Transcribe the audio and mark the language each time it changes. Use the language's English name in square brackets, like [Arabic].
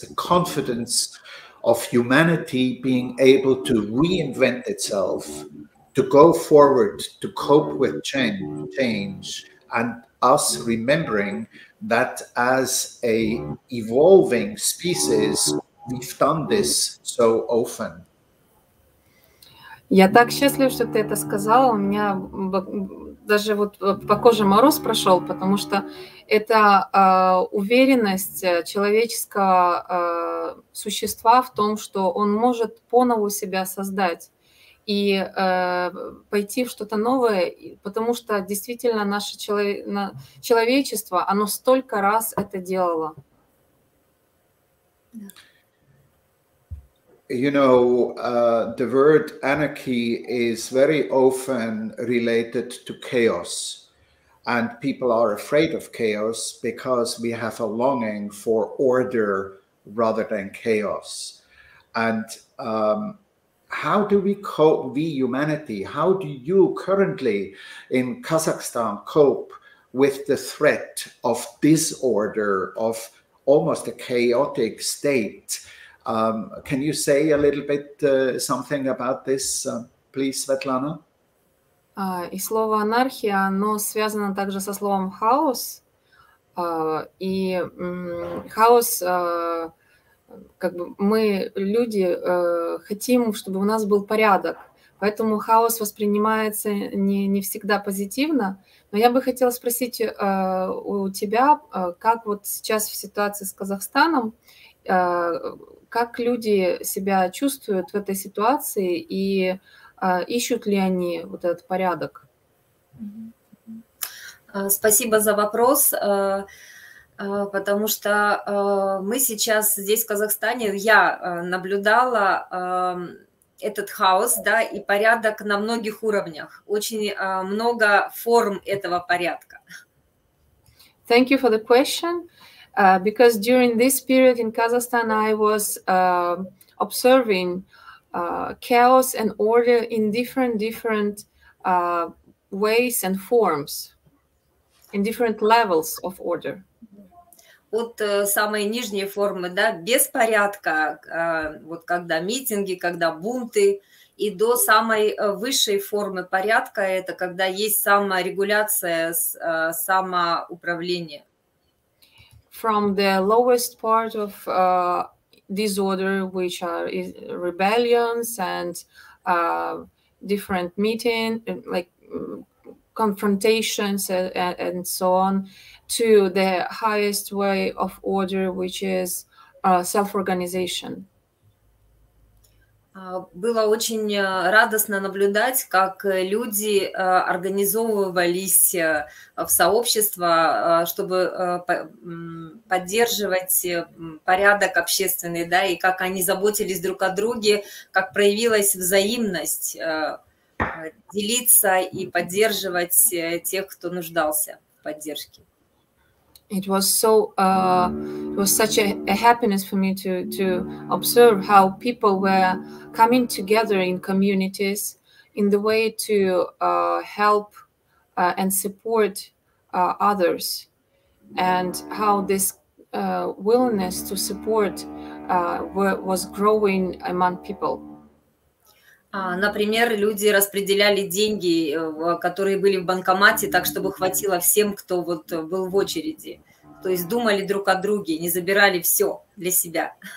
[English] The confidence of humanity being able to reinvent itself, to go forward, to cope with change, and us remembering that as a evolving species, we've done this so often. [Russian] Я так счастлив, что ты это сказала. У меня даже вот по коже мороз прошел, потому что это уверенность человеческого существа в том, что он может поново себя создать и пойти в что-то новое, потому что действительно наше человечество, оно столько раз это делало. [English] You know, the word anarchy is very often related to chaos, and people are afraid of chaos because we have a longing for order rather than chaos. And how do we cope, we humanity, how do you currently in Kazakhstan cope with the threat of disorder, of almost a chaotic state? Can you say a little bit something about this, please, Svetlana? [Russian] И слово анархия, оно связано также со словом хаос. И хаос, как бы мы, люди, хотим, чтобы у нас был порядок. Поэтому хаос воспринимается не всегда позитивно. Но я бы хотела спросить у тебя, как вот сейчас в ситуации с Казахстаном, как люди себя чувствуют в этой ситуации и ищут ли они вот этот порядок? Спасибо за вопрос, потому что мы сейчас здесь, в Казахстане, я наблюдала этот хаос, да, и порядок на многих уровнях. Очень много форм этого порядка. [English] Thank you for the question. Because during this period in Kazakhstan, I was observing chaos and order in different ways and forms, in different levels of order. [Russian] От самой нижней формы, да, беспорядка, вот когда митинги, когда бунты, и до самой высшей формы порядка, это когда есть саморегуляция, самоуправление. [English] From the lowest part of disorder, which are rebellions and different meeting, like confrontations and so on, to the highest way of order, which is self-organization. [Russian] Было очень радостно наблюдать, как люди организовывались в сообщества, чтобы поддерживать порядок общественный, да, и как они заботились друг о друге, как проявилась взаимность делиться и поддерживать тех, кто нуждался в поддержке. [English] It was so it was such a happiness for me to observe how people were coming together in communities in the way to help and support others, and how this willingness to support was growing among people. [Russian] Например, люди распределяли деньги, которые были в банкомате, так, чтобы хватило всем, кто вот был в очереди. То есть думали друг о друге, не забирали все для себя.